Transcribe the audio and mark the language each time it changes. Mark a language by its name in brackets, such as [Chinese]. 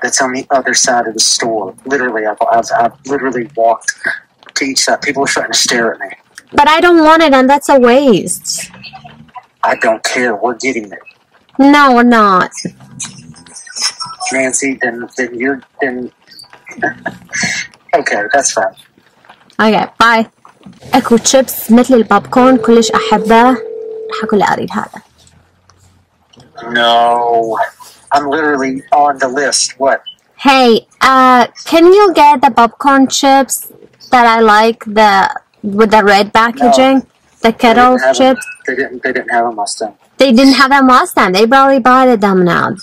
[English] That's on the other side of the store. Literally, I've literally walked to each side. People are trying to stare at me. But I don't want it, and that's a waste. I don't care. We're getting it. No, we're not. Nancy, then you're, then, okay, that's fine. Okay, bye. [Arabic] Echo chips, مثل البابكورن, كلش أحبه. حكولي أريد هذا. [English] No, I'm literally on the list, what? Hey, can you get the popcorn chips that I like, the with the red packaging? No. The kettle chips? They didn't have them last time. They didn't have them last time. They probably bought them now.